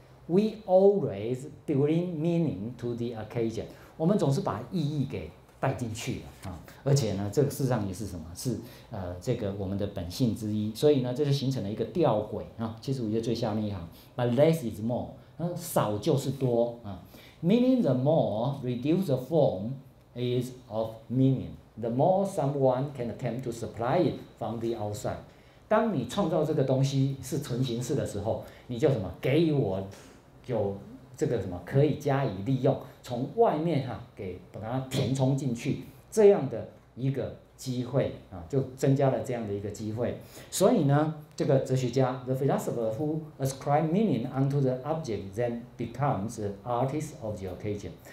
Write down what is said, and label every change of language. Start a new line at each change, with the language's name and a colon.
English: We always bring meaning to the occasion.
Chinese: 我们总是把意义给带进去了啊，而且呢，这个事实上也是什么？是这个我们的本性之一。所以呢，这就形成了一个吊诡啊。七十五页最下面一行 ，
English: But less is more.
Chinese: 少就是多啊。
English: Meaning the more reduced the form is of meaning, the more someone can attempt to supply it from the outside.
Chinese: 当你创造这个东西是纯形式的时候，你就什么给予我有这个什么可以加以利用，从外面哈给把它填充进去这样的一个机会啊，就增加了这样的一个机会。所以呢，这个哲学家
English: ，the philosopher who ascribes meaning unto the object then becomes the artist of the occasion。